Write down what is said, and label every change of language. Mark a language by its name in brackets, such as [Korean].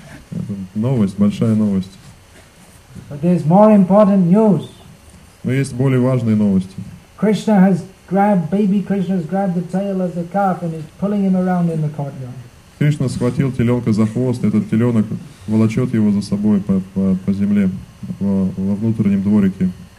[Russian] Это новость, большая новость. [English] But there's more important news. [Russian] Но есть более важные новости. [English] Krishna has grabbed, baby Krishna has grabbed the tail of the calf and is pulling him around in the courtyard. [Russian] Кришна схватил теленка за хвост, этот теленок волочет его за собой по земле, во внутреннем дворике.